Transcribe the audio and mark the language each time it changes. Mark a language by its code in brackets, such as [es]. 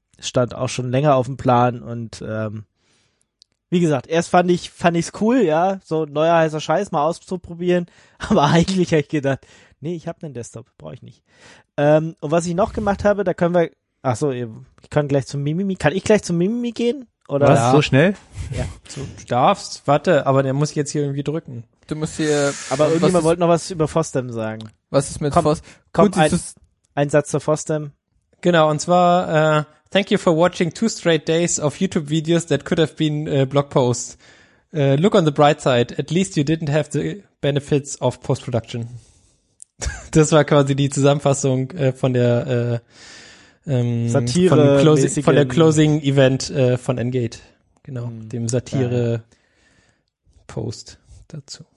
[de] Stand auch schon länger auf dem Plan und wie gesagt, erst fand ich's cool, ja, so neuer heißer Scheiß mal auszuprobieren, aber eigentlich habe ich gedacht, nee, ich habe einen Desktop, brauche ich nicht. Und was ich noch gemacht habe, da können wir, kann ich gleich zum Mimimi gehen? Oder? Was, ja. So schnell? Ja. Du darfst, warte, aber der muss ich jetzt hier irgendwie drücken. Du musst hier. Aber irgendjemand wollte noch was über FOSDEM sagen. Was ist mit FOSDEM? Ein Satz zur FOSDEM. Genau, und zwar, [en] thank you for watching 2 straight days of YouTube videos that could have been blog posts. Look on the bright side. At least you didn't have the benefits of post-production. [de] Das war quasi die Zusammenfassung von der Satire von der Closing Event von Engate. Genau, dem Satire Post dazu.